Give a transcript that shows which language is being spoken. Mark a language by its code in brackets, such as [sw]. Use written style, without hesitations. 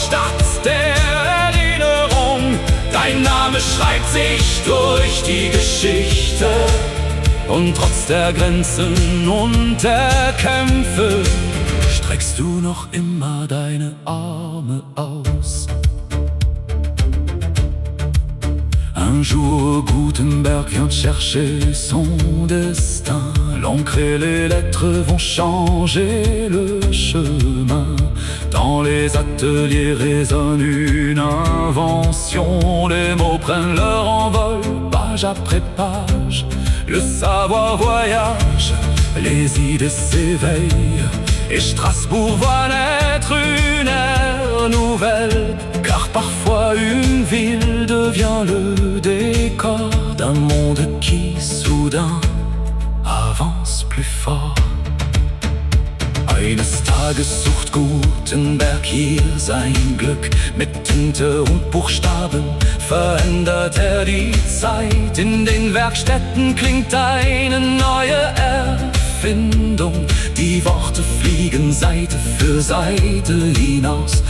[de] Stadt der Erinnerung, dein Name schreibt sich durch die Geschichte. Und trotz der Grenzen und der Kämpfe streckst du noch immer deine Arme aus. [fr] Un jour Gutenberg vient chercher son destin. L'encre et les lettres vont changer le chemin. Dans les ateliers résonne une invention. Les mots prennent leur envol, page après page. Le savoir voyage, les idées s'éveillent. Et Strasbourg voit naître une ère nouvelle. Car parfois une ville devient le décor d'un monde qui soudain avance plus fort. [de] Eines Tages sucht Gutenberg hier sein Glück. Mit Tinte und Buchstaben verändert die Zeit. In den Werkstätten klingt eine neue Erfindung. Die Worte fliegen Seite für Seite hinaus.